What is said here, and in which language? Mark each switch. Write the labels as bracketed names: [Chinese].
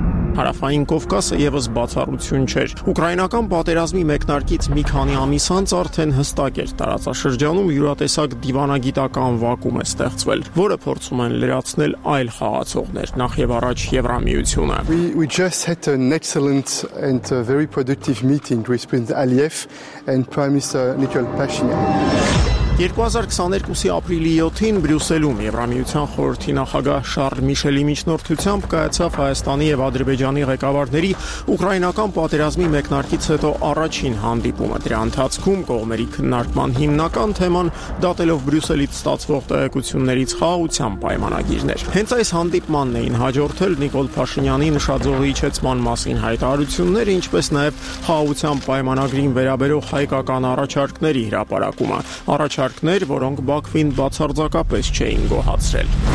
[Armenian] Հարավային Կովկասը եւս բացառություն չէր։ Ուկրաինական պատերազմի մեկնարկից մի քանի ամիս անց արդեն հստակ էր տարածաշրջանում յուրատեսակ դիվանագիտական վակուում է ստեղծվել, որը փորձում են լրացնել այլ խաղացողներ, նախ եւ առաջ Եվրամիությունը։ [English] We just had an excellent and a very productive meeting with President Aliyev and Prime Minister Nikol Pashinyan. [Armenian] 2022-ի ապրիլի 7-ին Բրյուսելում Եվրամիության խորհրդի նախագահ Շարլ Միշելի միջնորդությամբ կայացավ Հայաստանի և Ադրբեջանի ղեկավարների ուկրաինական պատերազմի մեկնարկից հետո առաջին հանդիպումը։ Դրա ընթացքում կողմերի քննարկման հիմնական թեման դատելով Բրյուսելից ստացվող տեղեկություններից խաղաղության պայմանագիրներ։ Հենց այս հանդիպմանն էին հաջորդել Նիկոլ Փաշինյանի նշաձողի իջեցման մասին հայտարարությունները, ինչպես նաև խաղաղության պայմանագրին վերաբերող հայկական առաջարկների հրապարակումը, չարքներ, որոնք Բաքվին բացարձակապես չէին գոհացրել։